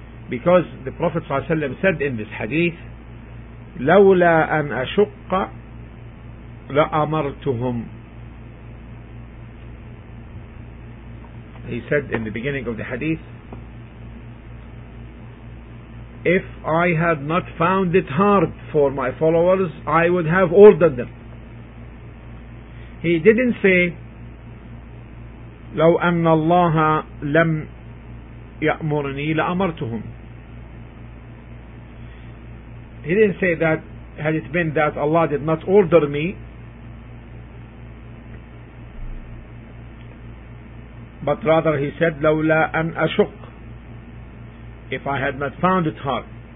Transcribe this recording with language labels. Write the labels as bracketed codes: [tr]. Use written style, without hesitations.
[en] Because the Prophet sallallahu alaihi wasallam said in this hadith, [ar] لولا أن أشق لأمرتهم. [en] He said in the beginning of the hadith, if I had not found it hard for my followers, I would have ordered them. He didn't say [ar] لو أن الله لم يأمرني لأمرتهم. [en] He didn't say that had it been that Allah did not order me, but rather he said [ar] لولا أن أشق, [en] if I had not found it hard.